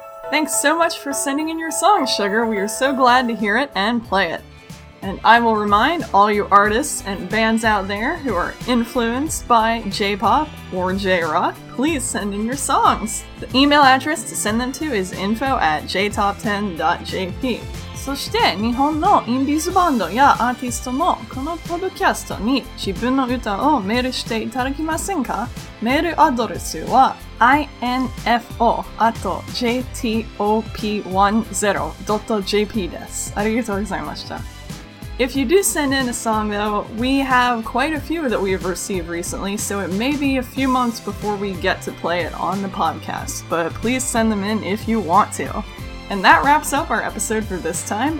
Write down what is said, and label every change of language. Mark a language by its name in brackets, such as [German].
[English] Thanks so much for sending in your song, Sugar. We are so glad to hear it and play it. And I will remind all you artists and bands out there who are influenced by J-pop or J-rock, please send in your songs. The email address to send them to is info@jtop10.jp. [Japanese] そして日本のインディーズバンドやアーティストもこのポッドキャストに自分の歌をメールしていただけませんか？メールアドレスは info@jtop10.jp です。ありがとうございました。 [English] If you do send in a song, though, we have quite a few that we've received recently, so it may be a few months before we get to play it on the podcast, but please send them in if you want to. And that wraps up our episode for this time.